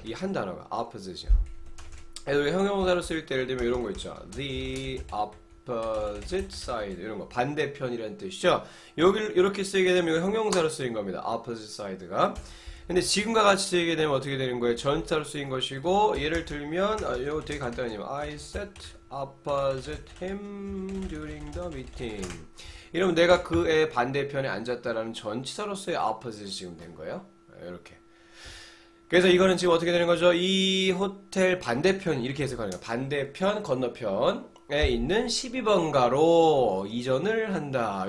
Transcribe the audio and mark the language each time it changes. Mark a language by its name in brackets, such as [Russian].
[Korean] 이한 단어가 opposite이요. 형용사로 쓰일 때 예를 들면 이런 거 있죠. [English] the opposite side [Korean] 이런 거 반대편이라는 뜻이죠. 여기 이렇게 쓰이게 되면 이거 형용사로 쓰인 겁니다. opposite side가. 근데 지금과 같이 쓰이게 되면 어떻게 되는 거예요? 전치사로 쓰인 것이고 예를 들면 이거 되게 간단해요. [English] I sat opposite him during the meeting. [Korean] 이러면 내가 그의 반대편에 앉았다라는 전치사로서의 opposite 지금 된 거예요. 이렇게. 그래서 이거는 지금 어떻게 되는 거죠? 이 호텔 반대편 이렇게 해석하는 거예요. 반대편 건너편. 에 있는 12번가로 이전을 한다.